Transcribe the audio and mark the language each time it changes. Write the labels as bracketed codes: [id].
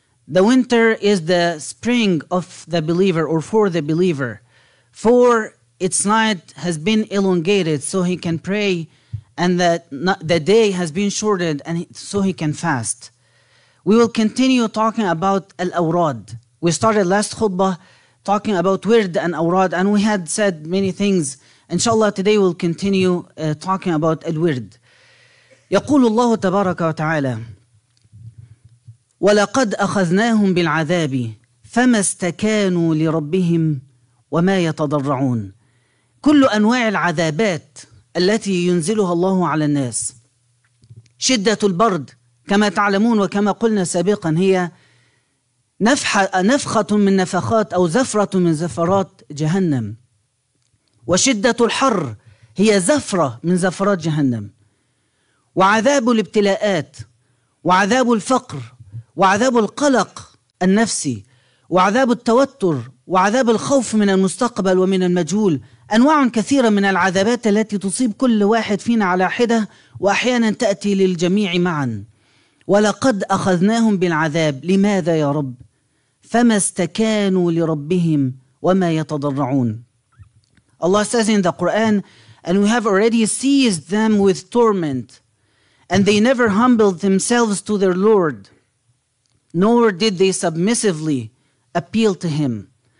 [en] The winter is the spring of the believer, or for the believer, for its night has been elongated so he can pray, and the day has been shortened and so he can fast. We will continue talking about al-awrad. We started last khutbah talking about wird and awrad, and we had said many things. Inshallah, today we'll continue talking about al-wird. [ar] يقول الله تبارك وتعالى: ولقد أخذناهم بالعذاب فما استكانوا لربهم وما يتضرعون. كل أنواع العذابات التي ينزلها الله على الناس، شدة البرد كما تعلمون وكما قلنا سابقا، هي نفخة من نفخات أو زفرة من زفرات جهنم، وشدة الحر هي زفرة من زفرات جهنم، وعذاب الابتلاءات، وعذاب الفقر، وعذاب القلق النفسي، وعذاب التوتر، وعذاب الخوف من المستقبل ومن المجهول. أنواع كثيرة من العذابات التي تصيب كل واحد فينا على حدة، وأحيانا تأتي للجميع معا. ولقد أخذناهم بالعذاب، لماذا يا رب؟ فما استكانوا لربهم وما يتضرعون. [en] Allah says in the Quran, and we have already seized them with torment, and they never humbled themselves to their Lord, nor did they submissively appeal to him.